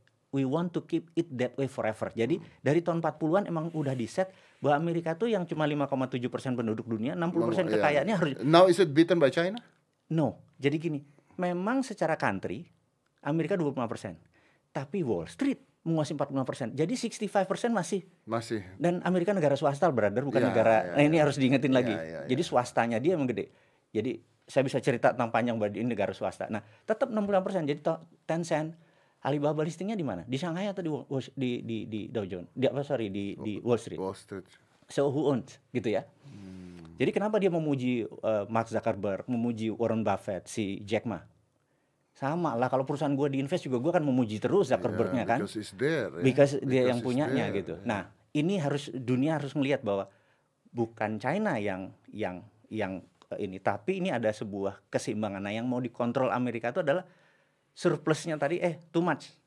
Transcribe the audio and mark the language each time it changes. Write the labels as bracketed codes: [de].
[en] We want to keep it that way forever. [id] Jadi dari tahun 40-an emang udah di set bahwa Amerika tuh yang cuma 5.7% penduduk dunia, 60% kekayaannya harus. [en] Now is it beaten by China? [id] No. Jadi gini, memang secara country Amerika 25%. Tapi Wall Street menguasai 45%. Jadi 65% masih. Dan Amerika negara swasta, brother, bukan negara. Nah, ini harus diingetin lagi. Jadi swastanya dia emang gede. Jadi saya bisa cerita tentang panjang bahwa ini negara swasta. Nah, tetap 65%. Jadi Tencent, Alibaba listingnya di mana? Di Shanghai atau di Dow Jones? Di Wall Street. Wall Street. [en] So who owns? [id] Gitu ya. Jadi kenapa dia memuji Mark Zuckerberg, memuji Warren Buffett, si Jack Ma? Sama lah, kalau perusahaan gue diinvest juga gue kan memuji terus Zuckerbergnya kan? [en] Because it's there. [id] Because dia yang punyanya there, gitu. Yeah. Nah, ini harus dunia harus melihat bahwa bukan China yang ini, tapi ini ada sebuah keseimbangan. Nah, yang mau dikontrol Amerika itu adalah surplusnya tadi [en] too much.